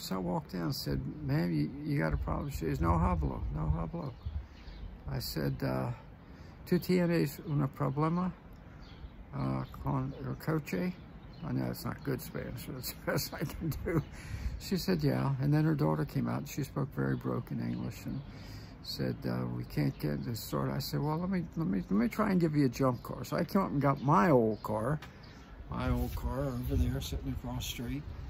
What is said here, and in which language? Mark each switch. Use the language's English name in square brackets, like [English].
[English] So I walked down and said, ma'am, you got a problem? She says, [Spanish] no hablo, no hablo. [English] I said, [Spanish] tú tienes una problema con el coche? [English] I know it's not good Spanish, but it's the best I can do. She said, yeah. And then her daughter came out and she spoke very broken English and said, we can't get this started. I said, well, let me try and give you a jump car. So I came up and got my old car over there sitting across the street.